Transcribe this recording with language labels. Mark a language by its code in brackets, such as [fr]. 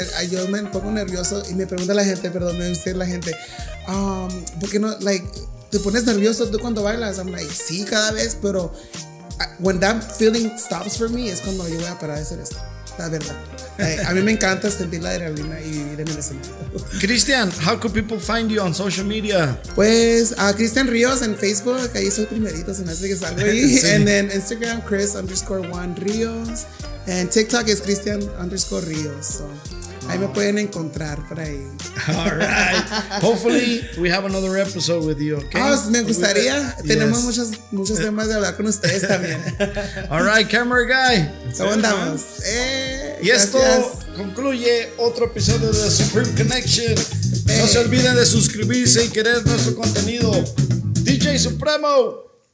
[es] Yo me pongo nervioso y me pregunta la gente, perdón, me dice la gente, ¿por qué no, te pones nervioso tú cuando bailas? [en] I'm like, [es] sí, cada vez, pero [en] when that feeling stops for me, [es] es cuando yo voy a parar de hacer esto. La verdad. A mí me encanta sentir la adrenalina y vivir en el escenario. [en] Cristian, how could people find you on social media? [es] Pues a Cristian Ríos en Facebook, ahí soy primerito, se me hace que salgo ahí. [en] Sí. And then Instagram, Chris_Juan Ríos. And TikTok es Cristian_Ríos. So. [es] Ahí me pueden encontrar por ahí. [en] All right. Hopefully we have another episode with you, okay? [es] Me gustaría. Tenemos muchos temas de hablar con ustedes también. [en] All right, camera guy. [es] ¿Cómo andamos? Y esto concluye otro episodio de The Supreme Connection. No se olviden de suscribirse y querer nuestro contenido. DJ Supremo.